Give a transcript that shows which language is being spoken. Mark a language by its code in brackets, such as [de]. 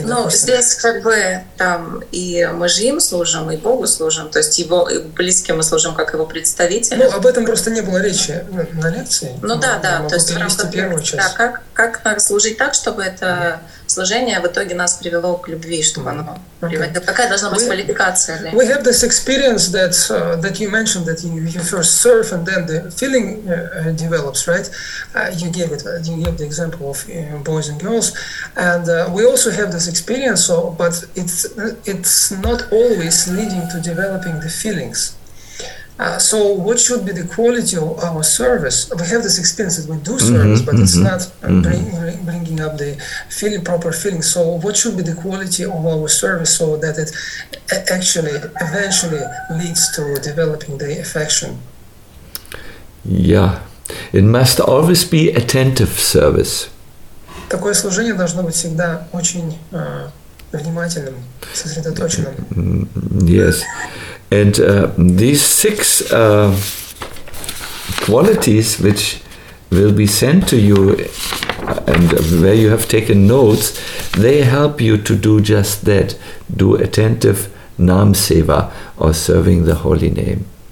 [ru] Здесь как бы там и мы же им служим, и Богу служим, то есть его и близким мы служим как его представителям. Ну, об этом просто не было речи на лекции. То есть в рамках... Да, как нам служить так, чтобы это служение в итоге нас привело к любви, чтобы оно... [en] We have this experience that that you mentioned, that you first serve and then the feeling develops, right? You gave the example of boys and girls, and we also have this experience. So, but it's not always leading to developing the feelings. So what should be the quality of our service? We have this experience that we do service, mm-hmm, but it's not bringing up the proper feeling. So what should be the quality of our service so that it actually eventually leads to developing the affection? Yeah, it must always be attentive service. [ru] Такое служение должно быть всегда очень внимательным, сосредоточенным. [en] Yes. And these six qualities which will be sent to you and where you have taken notes, they help you to do just that, do attentive nam seva, or serving the holy name.